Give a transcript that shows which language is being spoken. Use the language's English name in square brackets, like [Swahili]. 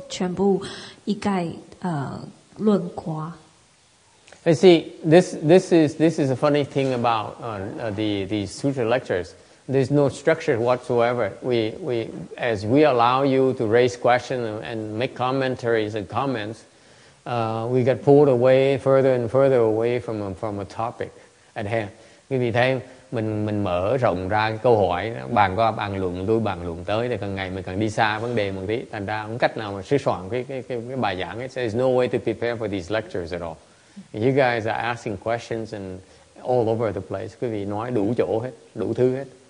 [Chinese] 所以重点是你要看这个人本身是善还是恶的，你不可以全部一概论夸。 [English] You see, this is a funny thing about the sutra lectures. There's no structure whatsoever. We allow you to raise questions and make commentaries and comments, we get pulled away further and further away from a topic at hand. [Vietnamese] Quý vị thấy mình mở rộng ra câu hỏi, bàn qua bàn luận, lui bàn luận tới thì càng ngày mình càng đi xa vấn đề một tí. Thành ra không cách nào mà sửa soạn cái bài giảng. [English] There's no way to prepare for these lectures at all. You guys are asking questions and all over the place. [Vietnamese] Quý vị nói đủ chỗ hết, đủ thứ hết.